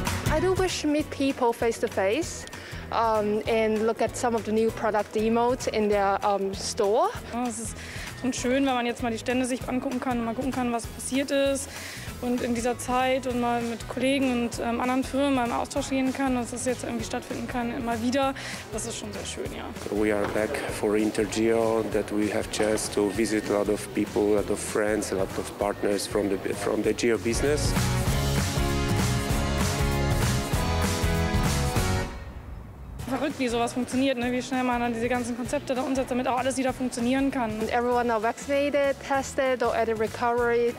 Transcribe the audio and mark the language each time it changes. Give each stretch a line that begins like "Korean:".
English: I do wish to meet people face-to-face. And look at some of the new product demos in their store.
German: Ja, es ist schon schön, wenn man jetzt mal die Stände sich angucken kann und mal gucken kann, was passiert ist. Und in dieser Zeit und mal mit Kollegen und anderen Firmen mal im Austausch gehen kann, dass das jetzt irgendwie stattfinden kann, immer wieder. Das ist schon sehr schön, ja.
English: We are back for INTERGEO, that we have chance to visit a lot of people, a lot of friends, a lot of partners from the geo business.
German: Ich verrückt, wie sowas funktioniert, ne? Wie schnell man dann diese ganzen Konzepte da umsetzt, damit auch alles wieder funktionieren kann.
English: And everyone are vaccinated, tested or at a recovery.